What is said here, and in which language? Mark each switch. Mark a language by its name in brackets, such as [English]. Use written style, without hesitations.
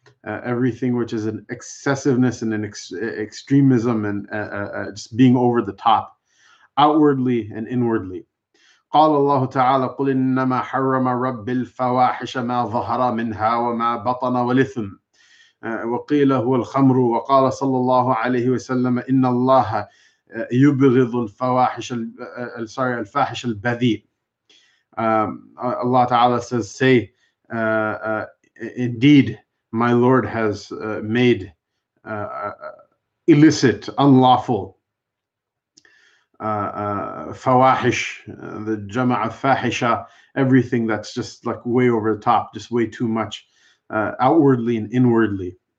[English] Everything which is an excessiveness and an extremism and just being over the top, outwardly and inwardly. [Arabic] قال الله تعالى قل إنما حرم رب الفواحش ما ظهر منها وما بطن والإثم وقيل هو الخمر وقال صلى الله عليه وسلم إن الله يبغض الفواحش الفاحش البذيء. [English] Allah Ta'ala says, say, indeed, my Lord has made illicit, unlawful, fawahish, the jama'a fahisha, everything that's just like way over the top, just way too much, outwardly and inwardly.